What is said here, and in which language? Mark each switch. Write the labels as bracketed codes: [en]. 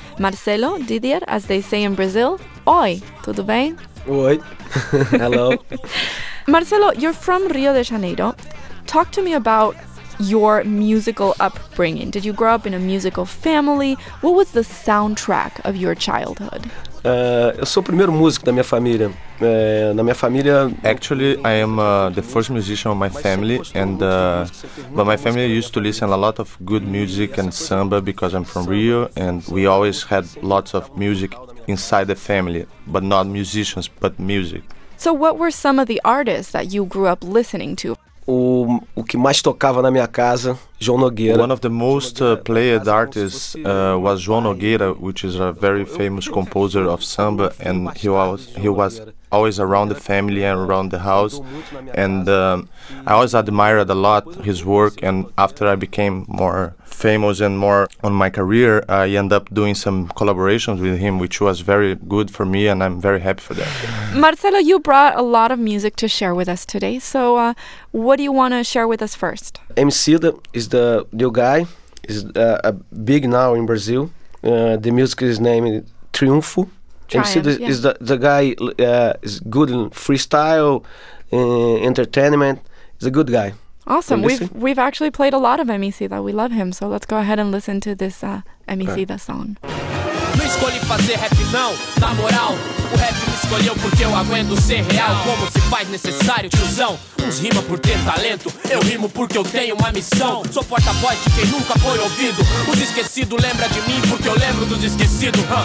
[en] Marcelo, Didier, as they say in Brazil, [pt] oi, tudo bem? [en] Oi, hello. Marcelo, you're from Rio de Janeiro. Talk to me about your musical upbringing. Did you grow up in a musical family? What was the soundtrack of your childhood? [pt] Eu sou o primeiro músico da minha família. Na minha família, [en] actually, I am the first musician of my family, and but my family used to listen a lot of good music and samba because I'm from Rio, and we always had lots of music inside the family, but not musicians, but music. So, what were some of the artists that you grew up listening to? [pt] O que mais tocava na minha casa, João Nogueira. [en] One of the most played artists was João Nogueira, which is a very famous composer of samba, and he was always around the family and around the house, and I always admired a lot his work. And after I became more famous and more on my career, I ended up doing some collaborations with him, which was very good for me, and I'm very happy for that. Marcelo, you brought a lot of music to share with us today, so what do you want to share with us first? Emicida is the new guy, is big now in Brazil. The music is named Triunfo. Triumph, MC is the guy is good in freestyle, entertainment. He's a good guy. Awesome. We've actually played a lot of MEC, though. We love him. So let's go ahead and listen to this MEC, the song. [pt] Não escolhi fazer rap, não, na moral. O rap me escolheu porque eu aguento ser real. Como se faz necessário, tiozão. Uns rima por ter talento, eu rimo porque eu tenho uma missão. Sou porta-voz de quem nunca foi ouvido. Os esquecidos lembram de mim porque eu lembro dos esquecidos.